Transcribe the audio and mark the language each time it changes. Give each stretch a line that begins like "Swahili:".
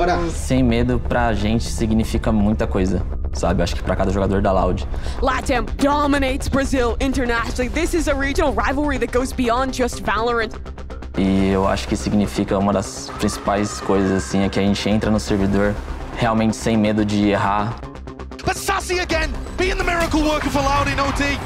Portuguese: Sem medo pra gente significa muita coisa, sabe? Acho que pra cada jogador da Loud.
English: LATAM dominates Brazil internationally. This is a regional rivalry that goes beyond just Valorant.
Portuguese: E eu acho que significa uma das principais coisas, assim, é que a gente entra no servidor realmente sem medo de errar.
English: But Sassy again, being the miracle worker for Loud in OT.